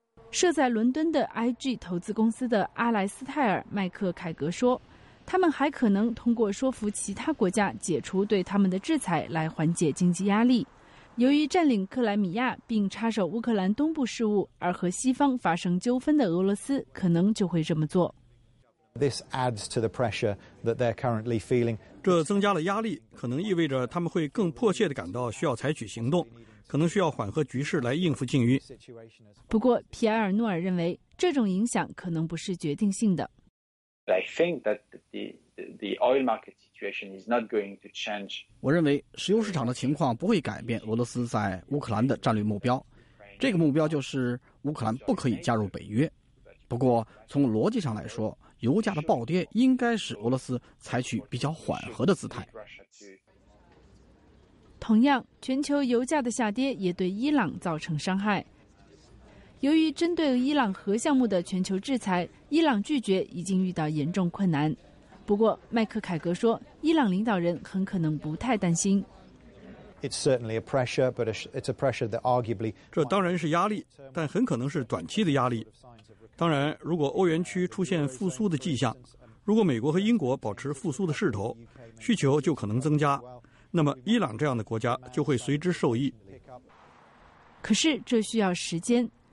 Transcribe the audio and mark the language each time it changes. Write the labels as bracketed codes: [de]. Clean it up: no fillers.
[zh] 设在伦敦的 IG 投资公司的阿莱斯泰尔·麦克凯格说，他们还可能通过说服其他国家解除对他们的制裁来缓解经济压力。由于占领克莱米亚并插手乌克兰东部事务而和西方发生纠纷的俄罗斯可能就会这么做。 [en] This adds to the pressure that they're currently feeling. [zh] 这增加了压力，可能意味着他们会更迫切地感到需要采取行动，可能需要缓和局势来应付禁运。不过，皮埃尔·诺尔认为，这种影响可能不是决定性的。 [en] I think that the oil market situation is not going to change. [zh] 我认为石油市场的情况不会改变俄罗斯在乌克兰的战略目标，这个目标就是乌克兰不可以加入北约。不过，从逻辑上来说，油价的暴跌应该使俄罗斯采取比较缓和的姿态。同样，全球油价的下跌也对伊朗造成伤害。由于针对伊朗核项目的全球制裁，伊朗拒绝已经遇到严重困难。不过，麦克凯格说，伊朗领导人很可能不太担心。 [en] It's certainly a pressure, but it's a pressure that arguably [zh] 这当然是压力，但很可能是短期的压力。当然，如果欧元区出现复苏的迹象，如果美国和英国保持复苏的势头，需求就可能增加，那么伊朗这样的国家就会随之受益。可是这需要时间。